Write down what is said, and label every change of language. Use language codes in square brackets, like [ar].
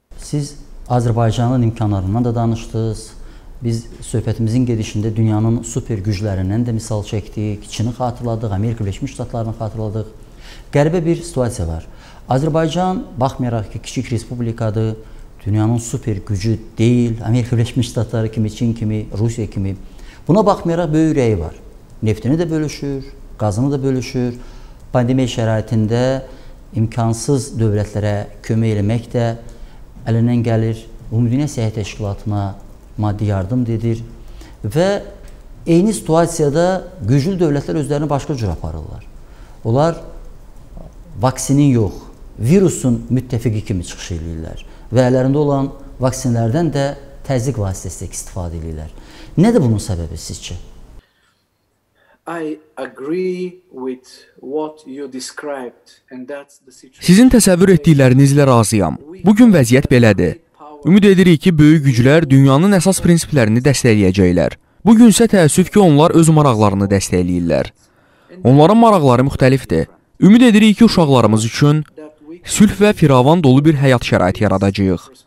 [az] Siz Azərbaycanın imkanlarından da danışdınız. Biz söhbətimizin gedişində dünyanın super güclərindən də misal çəkdik, Çini xatırladıq, Amerika Birləşmiş Ştatlarını xatırladıq. Qəribə bir situasiya var. Azərbaycan, baxmayaraq ki, kiçik respublikadır, dünyanın super gücü deyil, Amerika Birləşmiş Ştatları kimi, Çin kimi, Rusiya kimi. Buna baxmayaraq, böyük ürəyi var. Neftini də bölüşür, qazını da bölüşür. Pandemiya şəraitində imkansız dövlətlərə kömək eləmək də əlindən gəlir. Ümumdünya Səhiyyə Təşkilatına maddi yardım dedir və eyni situasiyada güclü dövlətlər özlərini başqa cür aparırlar. Onlar vaksinin yox, virusun müttəfiqi kimi çıxış edirlər və əllərində olan vaksinlərdən də təzyiq vasitəsi istifadə edirlər. Nədir bunun səbəbi sizcə? [en] I agree with what you described and that's the situation. [az] Sizin təsəvvür etdiklərinizlə razıyam. Bugün vəziyyət belədir. Ümid edirik ki, böyük güclər dünyanın əsas prinsiplərini dəstəkləyəcəklər. Bugünsə təəssüf ki, onlar öz maraqlarını dəstəkləyirlər. Onların maraqları müxtəlifdir. Ümid edirik ki, uşaqlarımız üçün sülh və firavan dolu bir həyat şəraiti yaradacağıq.